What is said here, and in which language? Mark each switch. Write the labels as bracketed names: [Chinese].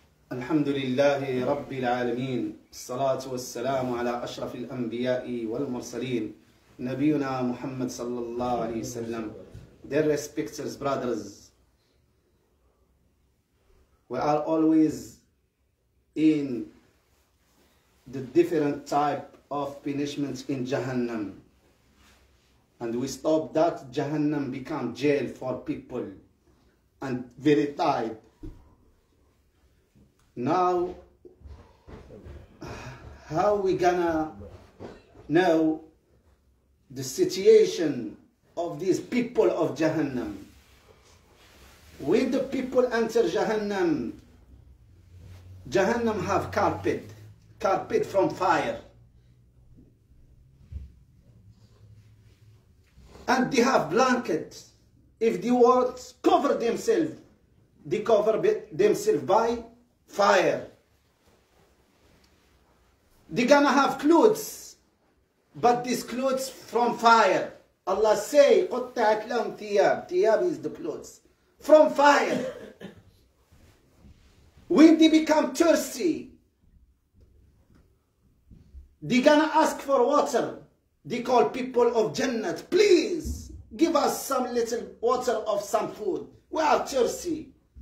[Arabic] الحمد لله رب العالمين، الصلاة والسلام على أشرف الأنبياء والمرسلين نبينا محمد صلى الله عليه وسلم. [English] Dear respected brothers, we are always in the different type of punishment in Jahannam, and we stop that Jahannam become jail for people and very tight. Now, how we gonna know the situation of these people of Jahannam? When the people enter Jahannam, Jahannam have carpet from fire, and they have blankets. If they want cover themselves, they cover themselves by fire. They gonna have clothes, but these clothes from fire. Allah say [Arabic] قطعت لهم ثياب. [English] ثياب is the clothes from fire. When they become thirsty, they gonna ask for water. They call people of Jannat, please give us some little water of some food, we are thirsty.